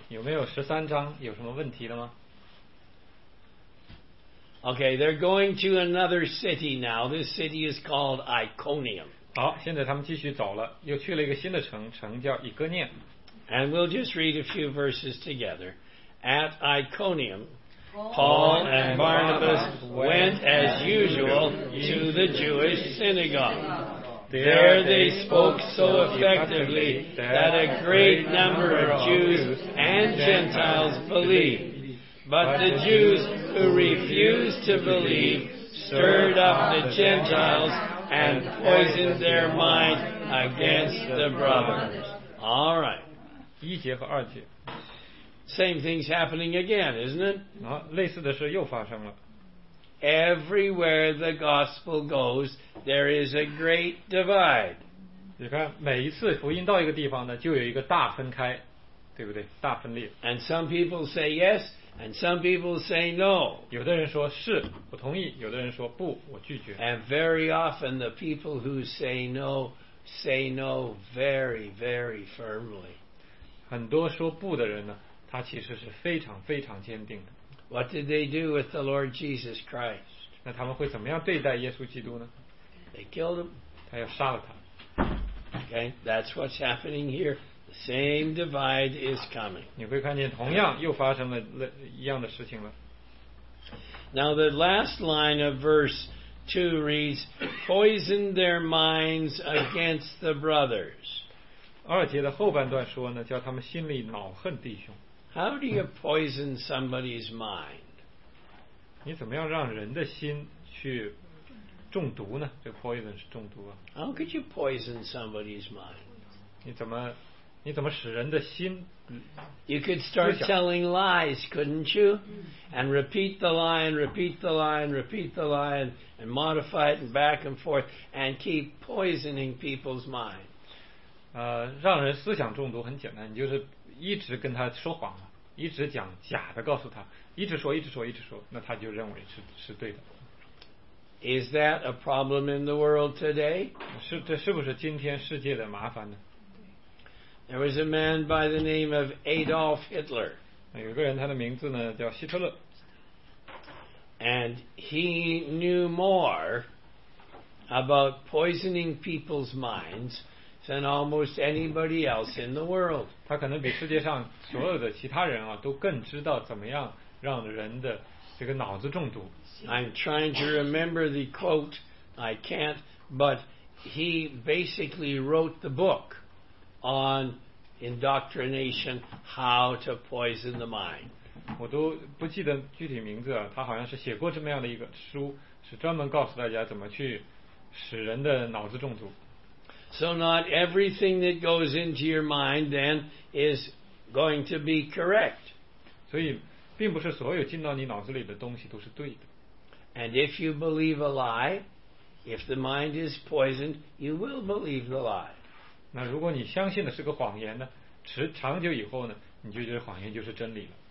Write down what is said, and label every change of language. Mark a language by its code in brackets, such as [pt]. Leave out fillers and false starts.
[zh] 有没有十三章有什么问题的吗？ [en] Okay, they're going to another city now. This city is called Iconium. [zh] 好，现在他们继续走了，又去了一个新的城叫以哥念。 [en] And we'll just read a few verses together. At Iconium, Paul and Barnabas went as usual to the Jewish synagogue. There they spoke so effectively that a great number of Jews and Gentiles believed. But the Jews who refused to believe stirred up the Gentiles and poisoned their mind against the brothers. All right. [zh] 一节和二节 [en] Same thing's happening again, isn't it? [zh] 类似的事又发生了。 [en] Everywhere the gospel goes, there is a great divide. [zh] 你看每一次福音到一个地方呢，就有一个大分开，对不对？大分裂。 [en] And some people say yes, and some people say no. [zh] 有的人说是，我同意，有的人说不，我拒绝。 [en] And very often the people who say no very, very firmly. [zh] 很多说不的人呢，他其实是非常非常坚定的。 [en] What did they do with the Lord Jesus Christ? [zh] 那他们会怎么样对待耶稣基督呢？ [en] They killed him. [zh] 他要杀了他。 [en] Okay, that's what's happening here. The same divide is coming. [zh] 你会看见同样又发生了一样的事情了。 [en] Now the last line of verse 2 reads, "Poison their minds against the brothers." [zh] 二节的后半段说呢，叫他们心里恼恨弟兄。 [en] How do you poison somebody's mind? [zh] 你怎么样让人的心去中毒呢？这 poison 是中毒啊。 [en] How could you poison somebody's mind? [zh] 你怎么使人的心？ [en] You could start telling lies, couldn't you? And repeat the lie, and repeat the lie, and repeat the lie, and modify it, and back and forth, and keep poisoning people's mind. [zh] 让人思想中毒很简单，你就是一直跟他说谎，一直讲假的，告诉他，一直说，那他就认为是对的。 [en] Is that a problem in the world today? [zh] 这是不是今天世界的麻烦呢？ [en] There was a man by the name of Adolf Hitler. [zh] 有个人他的名字呢叫希特勒。 [en] And he knew more about poisoning people's minds than almost anybody else in the world. [zh] 他可能比世界上所有的其他人啊，都更知道怎么样让人的这个脑子中毒。 [en] I'm trying to remember the quote. I can't, but he basically wrote the book on indoctrination, how to poison the mind. [zh] 我都不记得具体名字啊，他好像是写过这么样的一个书，是专门告诉大家怎么去使人的脑子中毒。 [en] So not everything that goes into your mind then is going to be correct. [zh] 所以并不是所有进到你脑子里的东西都是对的。 [en] And if you believe a lie, if the mind is poisoned, you will believe the lie. [zh] 那如果你相信的是个谎言呢，持长久以后呢，你就觉得谎言就是真理了。